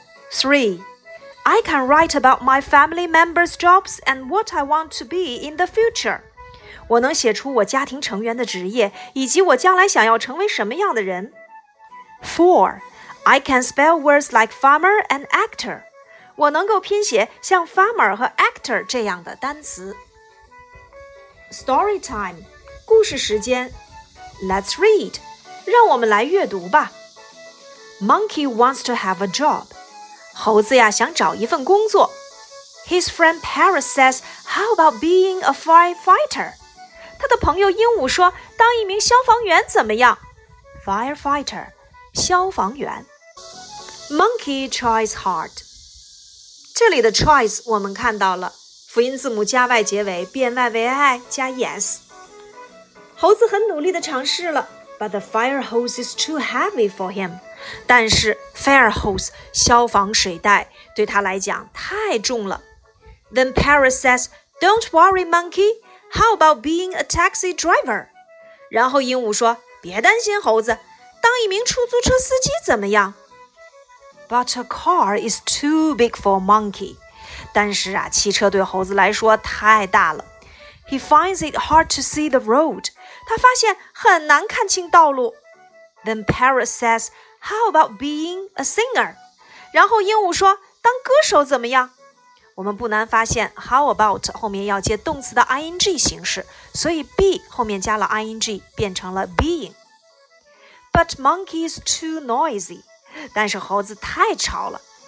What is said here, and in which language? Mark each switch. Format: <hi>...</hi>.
<en>Three, I can write about my family members' jobs and what I want to be in the future.</en> <zh>我能写出我家庭成员的职业，以及我将来想要成为什么样的人。</zh> <en>Four,I can spell words like farmer and actor.</en> <zh>我能够拼写像 farmer 和 actor 这样的单词。</zh> <en>Story time,</en> <zh>故事时间。</zh> <en>Let's read.</en> <zh>让我们来阅读吧。</zh> <en>Monkey wants to have a job.</en> <zh>猴子呀，想找一份工作。</zh> <en>His friend Parrot says, how about being a firefighter?</en> <zh>他的朋友鹦鹉说，当一名消防员怎么样？</zh> <en>Firefighter.</en> <zh>消防员。</zh> <en>Monkey tries hard.</en> <zh>这里的 tries 我们看到了，辅音字母加 y 结尾，变 y 为 i 加 es。猴子很努力地尝试了</zh> <en>，But the fire hose is too heavy for him.</en> <zh>但是 fire hose 消防水带对他来讲太重了。</zh> <en>Then Paris says, "Don't worry, monkey. How about being a taxi driver?"</en> <zh>然后鹦鹉说，别担心，猴子。当一名出租车司机怎么样</zh> <en>？But a car is too big for monkey.</en> <zh>但是啊，汽车对猴子来说太大了。</zh> <en>He finds it hard to see the road.</en> <zh>他发现很难看清道路。</zh> <en>Then Parrot says, "How about being a singer?"</en> <zh>然后鹦鹉说，当歌手怎么样？我们不难发现 ，how about 后面要接动词的 ing 形式，所以 be 后面加了 ing， 变成了 being。</zh> <en>But monkey is too noisy.</en> <zh>但是猴子太吵了。</zh>